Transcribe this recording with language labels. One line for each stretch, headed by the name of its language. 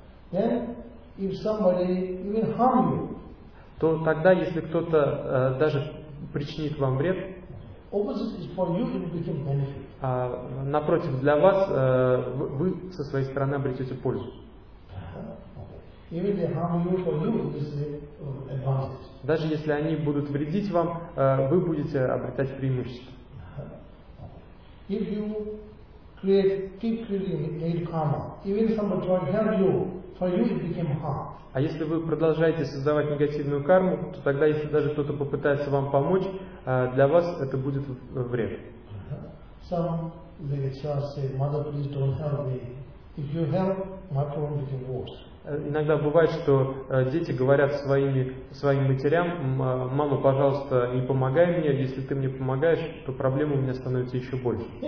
English: Then, if somebody even harm you,
Russian: то тогда, если кто-то даже причинит вам вред,
English: opposite is for you, it became benefit.
Russian: Напротив, для вас вы со своей стороны обретете пользу.
English: Even they harm you, for you it is advantage.
Russian: Даже если они будут вредить вам, вы будете обретать преимущество.
English: If you create, keep creating nirkama, even somebody try to help you, for you it became harm.
Russian: А если вы продолжаете создавать негативную карму, то тогда, если даже кто-то попытается вам помочь, для вас это будет вред.
English: Some religious say, mother, please don't help me. If you help, my problem became worse.
Russian: Иногда бывает, что дети говорят своим матерям: «Мама, пожалуйста, не помогай мне, если ты мне помогаешь, то проблема у меня становится еще больше».